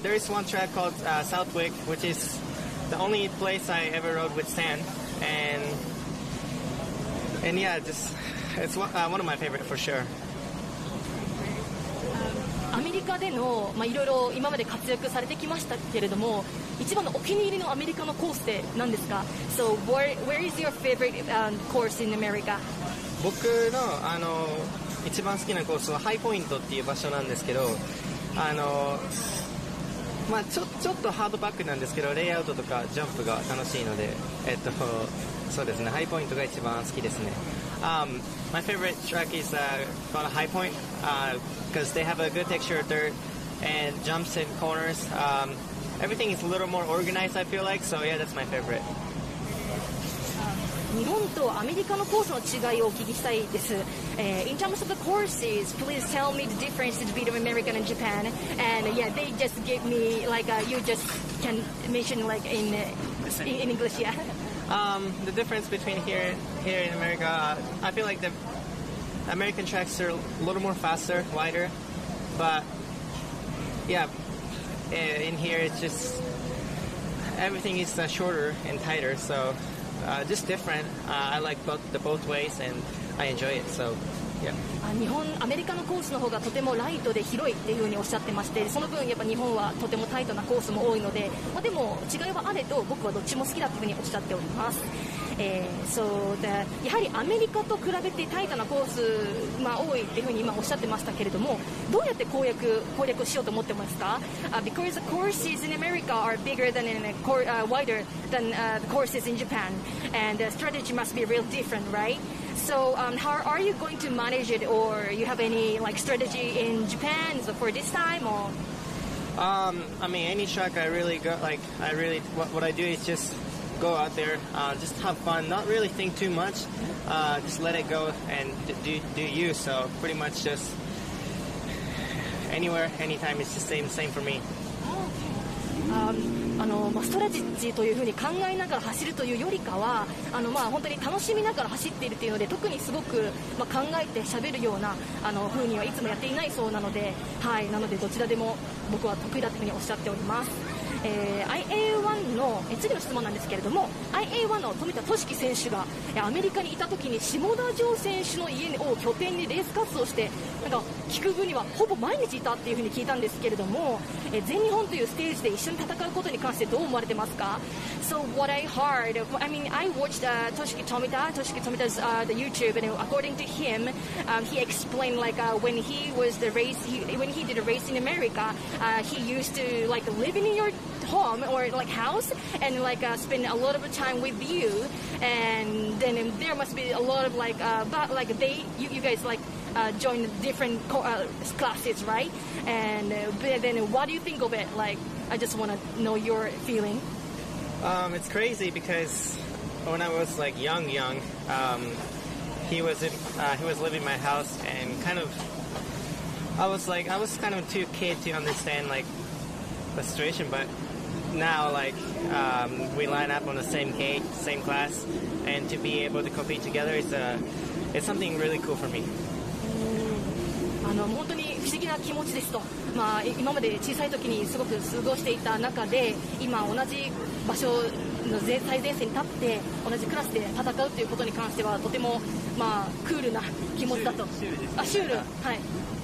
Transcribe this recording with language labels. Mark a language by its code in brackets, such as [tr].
[en] There is one track called Southwick, which is the only place I ever rode with sand. And yeah, just, it's one of my favorite for sure. [ja] メリカでの、まあ、いろいろ今まで活躍されてきましたけれども、一番のお気に入りのアメリカのコースって何ですか？ [en] So where is your favorite course in America? [ja] 僕 の, あの一番好きなコースはハイポイントっていう場所なんですけど、あの、まあ、ちょっとハードバックなんですけど、レイアウトとかジャンプが楽しいので、そうですね、ハイポイントが一番好きですね。 [en] My favorite track is called High Point because they have a good texture of dirt and jumps and corners. Everything is a little more organized, I feel like. So yeah, that's my favorite. [ja] 日本とアメリカのコースの違いをお聞きしたいです。 [en] In terms of the courses, please tell me the differences between America and Japan. And yeah, they just gave me like you just can mention like in English, yeah. The difference between here in America, I feel like the American tracks are a little more faster, wider, but yeah, in here it's just everything is shorter and tighter, so just different. I like both ways and I enjoy it, so yeah. [ja] 日本、アメリカのコースの方がとてもライトで広いっていうふうにおっしゃってまして、その分やっぱ日本はとてもタイトなコースも多いので、まあ、でも違いはあれと僕はどっちも好きだというふうにおっしゃっております。 [en] So the, [ja] やはりアメリカと比べてタイトなコース、まあ、多いっていうふうに今おっしゃってましたけれども、どうやって攻略しようと思ってますか？ [en] Because the courses in America are bigger than in wider than the courses in Japan, and the strategy must be real different, right? So, how are you going to manage it, or you have any like strategy in Japan for this time? Or, I mean, any track I really go, like, I really what I do is just go out there, just have fun, not really think too much, just let it go and do you. So, pretty much just anywhere, anytime, it's the same for me. [ja] まあ、ストラテジーというふうに考えながら走るというよりかは、まあ、本当に楽しみながら走っているというので、特にすごく、まあ、考えて喋るようなふうにはいつもやっていないそうなので、はい、なのでどちらでも僕は得意だというふうにおっしゃっております。 IA1 の次の質問なんですけれども、 IA1 の富田俊樹選手がアメリカにいた時に下田丈選手の家を拠点にレース活動して、なんか聞く分にはほぼ毎日いたっていうふうに聞いたんですけれども、全日本というステージで一緒に戦うことに関してどう思われてますか？ [en] So what I heard, I mean, I watched Toshiki Tomita's the YouTube, and according to him, he explained like when he was the race, when he did a race in America, he used to like live in your home or like house and like spend a lot of time with you, and then there must be a lot of like but like they you guys like. Join different classes, right? And but then what do you think of it? Like, I just want to know your feeling. It's crazy because when I was like young, he was living in my house, and kind of I was kind of too kid to understand like the situation. But now like we line up on the same gate, same class, and to be able to compete together is it's something really cool for me. [ja] 本当に不思議な気持ちですと、まあ、今まで小さい時にすごく過ごしていた中で、今同じ場所の最前線に立って同じクラスで戦うということに関してはとても、まあ、クールな気持ちだと。シュールです。